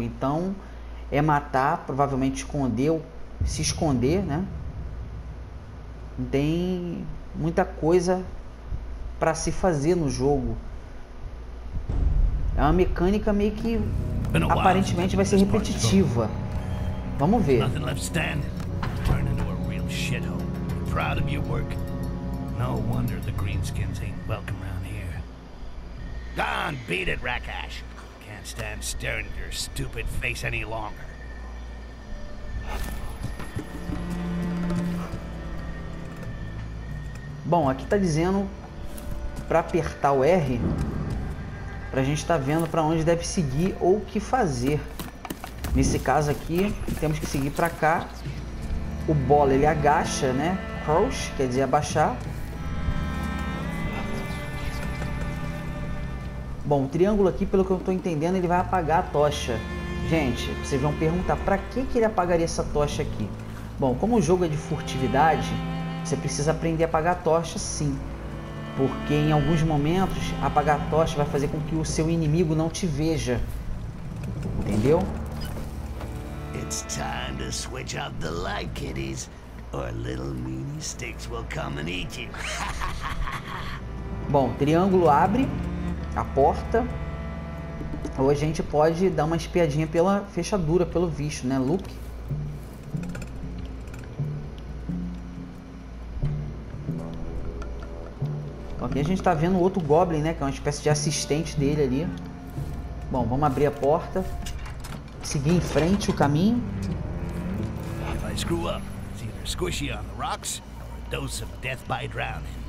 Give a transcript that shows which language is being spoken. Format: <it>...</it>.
<pt>Então, é matar, provavelmente esconder, ou se esconder, né? Não tem muita coisa para se fazer no jogo. É uma mecânica meio que aparentemente vai ser repetitiva. Vamos ver.</pt> <en>Nothing left standing. Turn into a real shithole. Proud of your work. No wonder the greenskins ain't welcome around here. Gone, beat it, Rakash. Can't stand staring at your stupid face any longer.</en> <pt>Bom, aqui tá dizendo para apertar o R. Pra gente tá vendo para onde deve seguir ou o que fazer. Nesse caso aqui, temos que seguir para cá. O bola, ele agacha, né? Crouch, quer dizer abaixar. Bom, o triângulo aqui, pelo que eu tô entendendo, ele vai apagar a tocha. Gente, vocês vão perguntar, para que que ele apagaria essa tocha aqui? Bom, como o jogo é de furtividade, você precisa aprender a apagar a tocha, sim. Porque em alguns momentos, apagar a tocha vai fazer com que o seu inimigo não te veja. Entendeu?</pt> <en>It's time to switch out the light, kiddies, or little mini sticks will come and eat you.</en> <pt>Bom, triângulo abre a porta. Ou a gente pode dar uma espiadinha pela fechadura, pelo visto, né, Luke? Aqui a gente tá vendo outro Goblin, né? Que é uma espécie de assistente dele ali. Bom, vamos abrir a porta. Seguir em frente o caminho.</pt> <en>If I screw up, it's either squishy on the rocks or a dose of death by drowning.</en>